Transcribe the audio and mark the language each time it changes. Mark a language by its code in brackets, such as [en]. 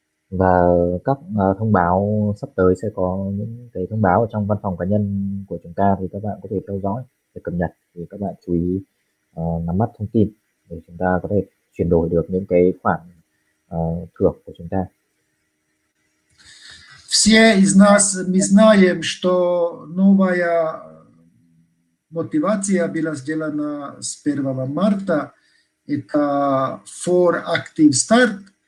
[vi] Và các thông báo sắp tới sẽ có những cái thông báo ở trong văn phòng cá nhân của chúng ta thì các bạn có thể theo dõi để cập nhật, thì các bạn chú ý nắm bắt thông tin để chúng ta có thể chuyển đổi được những cái khoản thưởng của chúng ta. [ru] Все из нас мы знаем, что новая мотивация была сделана с 1 марта. Это [en] for active start.